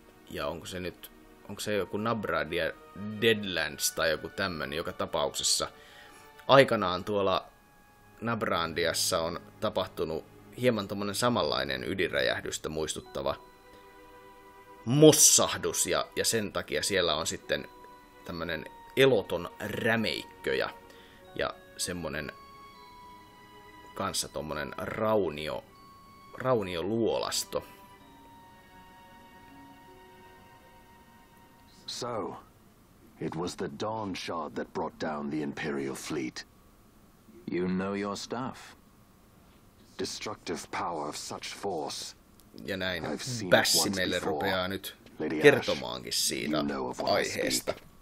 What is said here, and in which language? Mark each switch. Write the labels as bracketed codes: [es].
[fi] Ja onko se joku Nabrandia Deadlands tai joku tämmönen, joka tapauksessa aikanaan tuolla Nabrandiassa on tapahtunut hieman tommonen samanlainen ydinräjähdystä muistuttava mossahdus, ja sen takia siellä on sitten tämmönen eloton rämeikkö ja semmonen kanssa tommonen raunioluolasto. [en] So, it was the Dawn Shard that brought down the Imperial fleet. You know your stuff. Destructive power of such force. [fi] Ja näin Bassi meille rupeaa nyt kertomaankin siitä aiheesta.